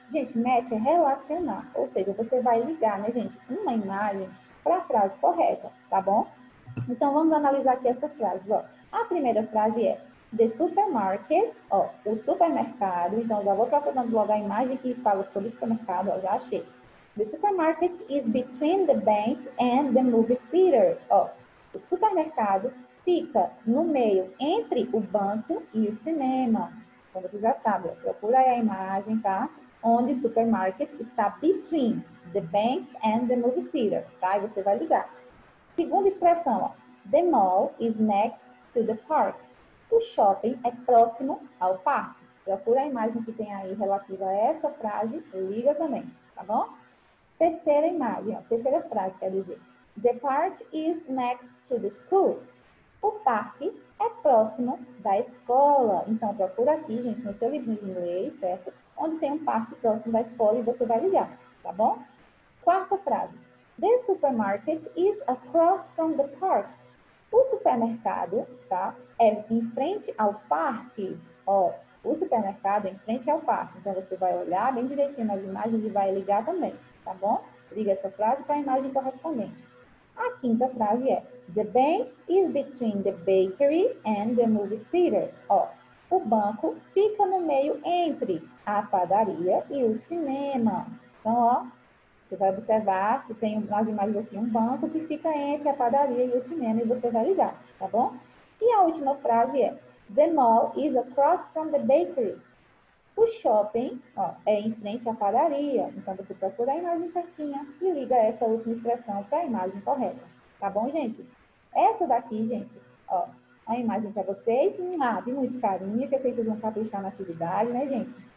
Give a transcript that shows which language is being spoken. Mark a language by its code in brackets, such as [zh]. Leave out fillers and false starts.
[pt] Gente, Match é relacionar, ou seja, você vai ligar, né, gente, uma imagem para a frase correta, tá bom? Então, vamos analisar aqui essas frases, ó. A primeira frase é the supermarket, ó, o supermercado. Então, já vou procurando logo a imagem que fala sobre o supermercado, ó, já achei. [en] The supermarket is between the bank and the movie theater, ó. [pt] O supermercado fica no meio entre o banco e o cinema. Então, você já sabe, ó, procura aí a imagem, tá? Onde o supermarket está [en] between the bank and the movie theater, [pt] tá? E você vai ligar. Segunda expressão, ó, [en] the mall is next to the park. [pt] O shopping é próximo ao parque. Procura a imagem que tem aí relativa a essa frase e liga também, tá bom? Terceira imagem, ó, terceira frase, quer dizer, [en] the park is next to the school. [pt] O parque é próximo da escola. Então, procura aqui, gente, no seu livro de inglês, certo? Onde tem um parque próximo da escola e você vai ligar, tá bom? Quarta frase, [en] the supermarket is across from the park. [pt] O supermercado, tá, é em frente ao parque, ó, o supermercado é em frente ao parque. Então, você vai olhar bem direitinho nas imagens e vai ligar também, tá bom? Liga essa frase para a imagem correspondente. A quinta frase é, [en] the bank is between the bakery and the movie theater, ó. [pt] O banco fica no meio entre a padaria e o cinema. Então, ó, você vai observar se tem nas imagens aqui um banco que fica entre a padaria e o cinema e você vai ligar, tá bom? E a última frase é, [en] the mall is across from the bakery. [pt] O shopping, ó, é em frente à padaria. Então, você procura a imagem certinha e liga essa última expressão para a imagem correta. Tá bom, gente? Essa daqui, gente, ó, a imagem para vocês. Ah, de muito carinho, que eu sei que vocês vão caprichar na atividade, né, gente?